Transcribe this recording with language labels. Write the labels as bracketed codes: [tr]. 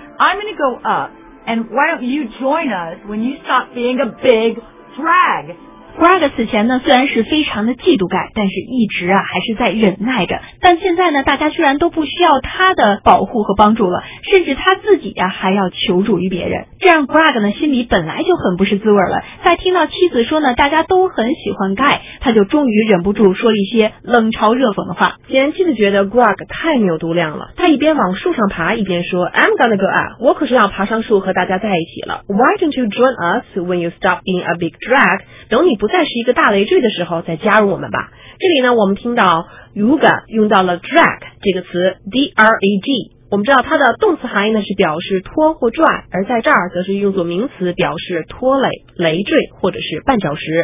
[en] I'm going to go up, and why don't you join us when you stop being a big drag? [zh] Greg 此前呢虽然是非常的嫉妒盖，但是一直啊还是在忍耐着。但现在呢，大家居然都不需要他的保护和帮助了，甚至他自己啊还要求助于别人。这让 Greg 呢心里本来就很不是滋味了。在听到妻子说呢大家都很喜欢盖，他就终于忍不住说了一些冷嘲热讽的话。既然妻子觉得 Greg 太没有度量了，他一边往树上爬一边说 [en] I'm gonna go out, [zh] 我可是要爬上树和大家在一起了。 [en] Why don't you join us when you stop being a big drag? [zh] 等你不再是一个大累赘的时候再加入我们吧。这里呢我们听到 Uga 用到了 drag 这个词 D-R-A-G， 我们知道它的动词含义呢是表示拖或拽，而在这儿则是用作名词表示拖累、累赘或者是绊脚石。